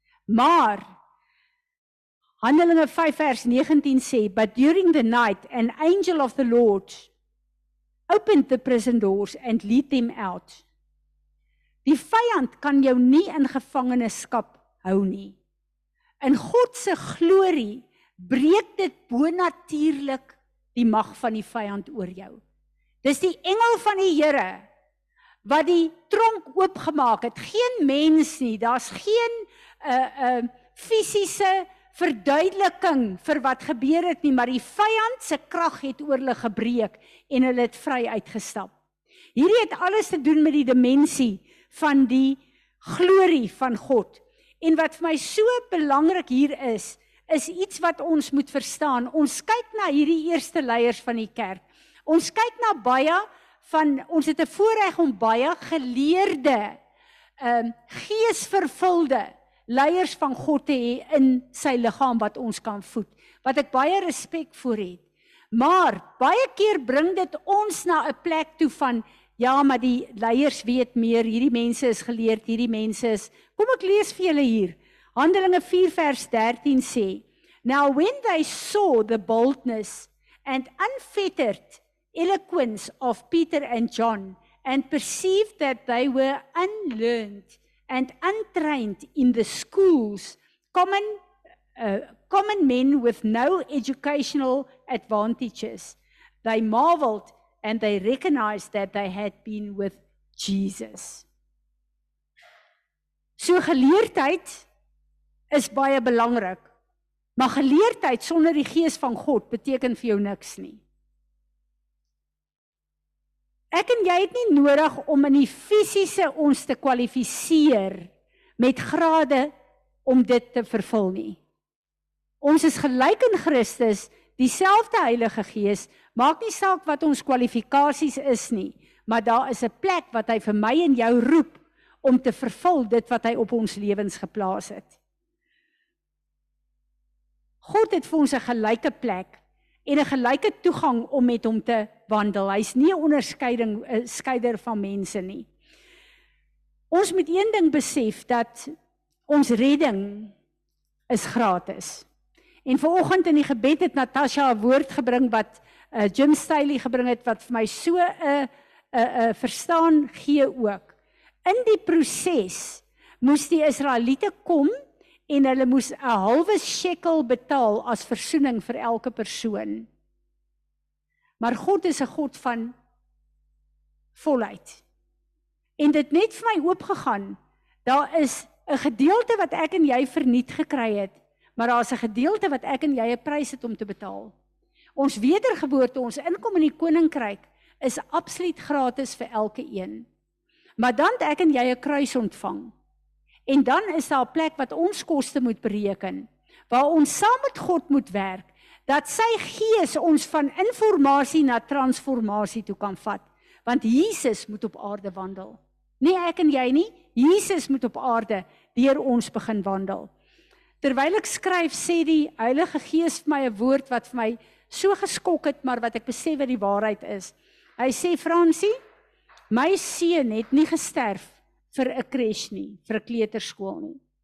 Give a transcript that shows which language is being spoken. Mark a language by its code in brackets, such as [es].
[af] Maar Handelinge 5 vers 19 sê, [en] "But during the night an angel of the Lord opened the prison doors and led them out." [af] Die vyand kan jou nie in gevangenskap hou nie. In God se glorie breek dit bonatuurlik die mag van die vyand oor jou. Dis die engel van die Here wat die tronk oopgemaak het. Geen mens nie, daar's geen fisiese verduideliking vir wat gebeur het nie, maar die vyand se krag het oor hulle gebreek en hulle het vry uitgestap. Hierdie het alles te doen met die dimensie van die glorie van God. En wat vir my so belangrik hier is, is iets wat ons moet verstaan. Ons kyk na hierdie eerste leiers van die kerk. Ons kyk na baie van, ons het 'n voorreg om baie geleerde, geesvervulde leiers van God te hê in sy liggaam wat ons kan voed. Wat ek baie respek voor het. Maar baie keer bring dit ons na 'n plek toe van, ja, maar die leiers weet meer, hierdie mense is geleerd, hierdie mense is, kom ek lees vir julle hier. Handelinge 4 vers 13 sê, [en] "Now when they saw the boldness and unfettered eloquence of Peter and John and perceived that they were unlearned and untrained in the schools, common men with no educational advantages, they marveled and they recognized that they had been with Jesus." [af] So geleerdheid is baie belangrik, maar geleerdheid sonder die Gees van God beteken vir jou niks nie. Ek en jy het nie nodig om in die fisiese ons te kwalifiseer met grade om dit te vervul nie. Ons is gelyk in Christus, dieselfde Heilige Gees, maak nie saak wat ons kwalifikasies is nie, maar daar is 'n plek wat hy vir my en jou roep om te vervul dit wat hy op ons lewens geplaas het. God het vir ons 'n gelyke plek en 'n gelyke toegang om met hom te wandel. Hy's nie 'n onderskeiding skeider van mense nie. Ons moet een ding besef dat ons redding is gratis. En vanoggend in die gebed het Natasha 'n woord gebring wat Jim Staley gebring het wat vir my so 'n verstaan gee ook. In die proses moes die Israeliete kom en hulle moes 'n halwe shekel betaal as versoening vir elke persoon. Maar God is 'n God van volheid. En dit net vir my oopgegaan, daar is 'n gedeelte wat ek en jy verniet gekry het, maar daar is 'n gedeelte wat ek en jy 'n prys het om te betaal. Ons wedergeboorte, ons inkom in die koninkryk, is absoluut gratis vir elke een. Maar dan het ek en jy 'n kruis ontvang. En dan is daar 'n plek wat ons koste moet bereken, waar ons saam met God moet werk, dat sy Gees ons van informasie na transformasie toe kan vat. Want Jesus moet op aarde wandel. Nie ek en jy nie, Jesus moet op aarde deur ons begin wandel. Terwyl ek skryf, sê die Heilige Gees vir my 'n woord wat vir my so geskok het, maar wat ek besef wat die waarheid is. Hy sê, "Francie, my seun het nie gesterf vir 'n kresh nie, vir 'n kleuterskool nie.